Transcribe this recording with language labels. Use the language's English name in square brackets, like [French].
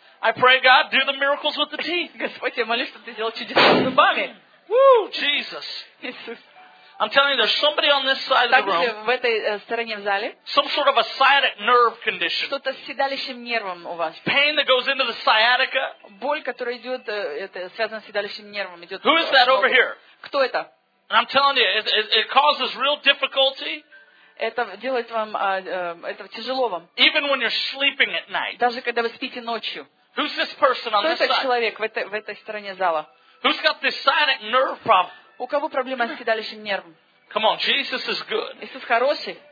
[English] I pray God, do the miracles with the teeth. [Russian] Господи, я молюсь, чтобы ты делал чудеса с зубами. [English] Jesus. I'm telling you, there's somebody on this side of the room. [Russian] В этой стороне в зале. [English] Some sort of a sciatic nerve condition. [Russian] Что-то с седалищным нервом у вас. [English] Pain that goes into the sciatica. [Russian] Боль, которая идет, это связано с седалищным нервом, идет. [English] Who is that over here? [Russian] Кто это? [English] And I'm telling you, it causes real difficulty. [Russian] Это делает вам, это тяжело вам. [English] Even when you're sleeping at night. [Russian] Даже когда вы спите ночью. [English] Who's this person on this side? [Russian] Кто этот человек в этой стороне зала? [English] Who's got this sciatic nerve problem? [Russian] У кого проблема с седалищным нервом? [English] Come on, Jesus is good. [Russian] Иисус хороший.